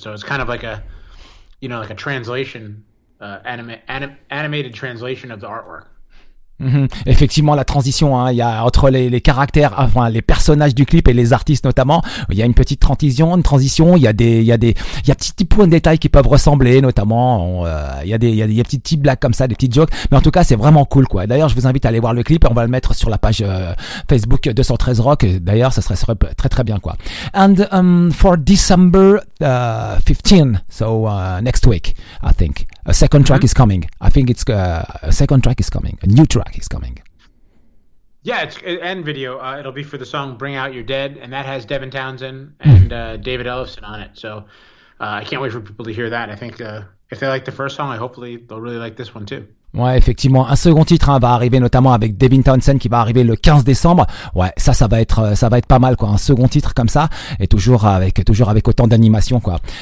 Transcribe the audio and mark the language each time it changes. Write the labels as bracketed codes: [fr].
[en] So it's kind of like a, you know, like a translation, animated translation of the artwork. Mm-hmm. [fr] Effectivement, la transition, hein, il y a entre les caractères, enfin les personnages du clip et les artistes notamment, il y a une petite transition, il y a petits points de détails qui peuvent ressembler, notamment il y a des petites blagues comme ça, des petites jokes, mais en tout cas c'est vraiment cool, quoi. D'ailleurs, je vous invite à aller voir le clip, on va le mettre sur la page Facebook 213 Rock. D'ailleurs, ça serait très très bien, quoi. [en] And for December 15, so next week, I think a second track, mm-hmm, is coming. I think it's a second track is coming. A new track is coming. Yeah, it's and video. It'll be for the song "Bring Out Your Dead," and that has Devin Townsend and David Ellefson on it. So I can't wait for people to hear that. I think if they like the first song, hopefully they'll really like this one too. [fr] Ouais, effectivement, un second titre, hein, va arriver, notamment avec Devin Townsend, qui va arriver le 15 décembre. Ouais, ça va être pas mal, quoi. Un second titre comme ça, et toujours avec autant d'animation, quoi.